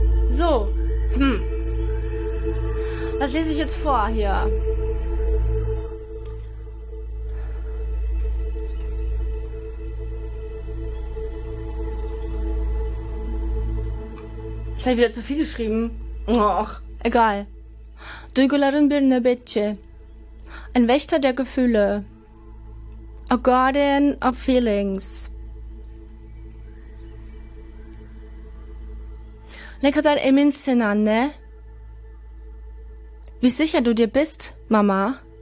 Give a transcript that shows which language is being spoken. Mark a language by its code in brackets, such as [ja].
[de] So, was lese ich jetzt vor hier? Ich habe wieder zu viel geschrieben. Ach, egal. [tr] Duygularım bir nöbetçi. [de] Ein Wächter der Gefühle. [en] A guardian of feelings. [tr] Ne kadar eminsin anne? [de] Wie sicher du dir bist, Mama?